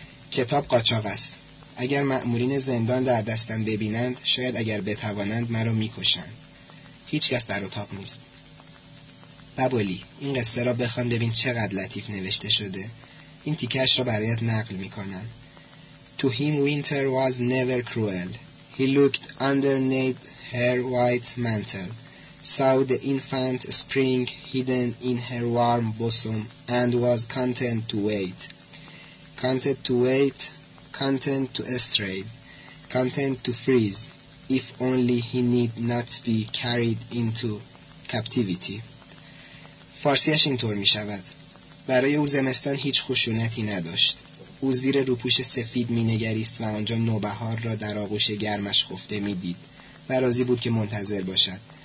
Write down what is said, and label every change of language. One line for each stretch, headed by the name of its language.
Persian: کتاب قاچاق است. اگر مأمورین زندان در دستم ببینند، شاید اگر بتوانند مرا میکشند. هیچ کس در اتاق نیست. بابولی، این قصه را بخوان ببین چقدر لطیف نوشته شده. این تیکش را برایت نقل میکنم.
English: To him winter was never cruel. He looked underneath her white mantle. Saw the infant spring hidden in her warm bosom and was content to wait. Content to wait, content to stray, content to freeze, if only he need not be carried into captivity.
Persian: فارسیش اینطور می شود. برای او زمستان هیچ خشونتی نداشت. او زیر روپوش سفید می نگریست و آنجا نوبهار را در آغوش گرمش خفته می دید و راضی بود که منتظر باشد.